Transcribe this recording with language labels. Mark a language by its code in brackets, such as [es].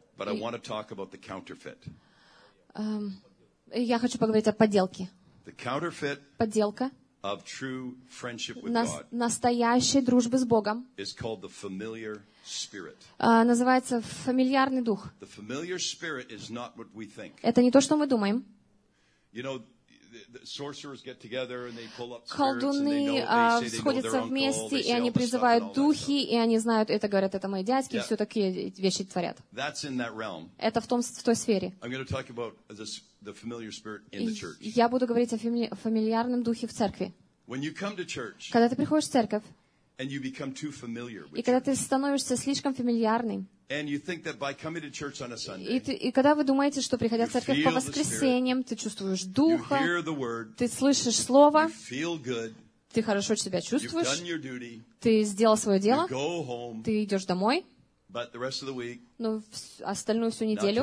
[en] But I want to talk about the counterfeit. [ru] Я хочу поговорить о подделке. [en] The counterfeit. [ru] Подделка. [en] Of true friendship with God. [ru] Настоящей дружбы с Богом. [en] Is called the familiar spirit. [ru] Называется фамильярный дух. [en] The familiar spirit is not what we think. [ru] Это не то, что мы думаем. [en] You know, the sorcerers get together and they pull up [ru] колдуны, [en] spirits and they know they say they know their uncle, they say [ru] духи, [en] stuff. [ru] И они знают, это говорят, это мои дядьки, yeah. И все такие вещи творят. [en] That's in that realm. [ru] Это в той сфере. [en] I'm going to talk about the familiar spirit in the church. [ru] Я буду говорить о фамильярном духе в церкви. [en] When you come to church, [ru] когда ты приходишь в церковь, [en] and you become too familiar with [ru] и когда ты становишься слишком фамильярным, [en] and you think that by coming to church on a Sunday, [ru] и когда вы думаете, что приходя в церковь по воскресеньям, ты чувствуешь духа, [en] you hear the word, [ru] ты слышишь слово, [en] you feel good, [ru] ты хорошо себя чувствуешь, [en] you've done your duty, [ru] ты сделал свое дело, [en] you go home, [ru] ты идешь домой, [en] but the rest of the week, [ru] но остальную всю неделю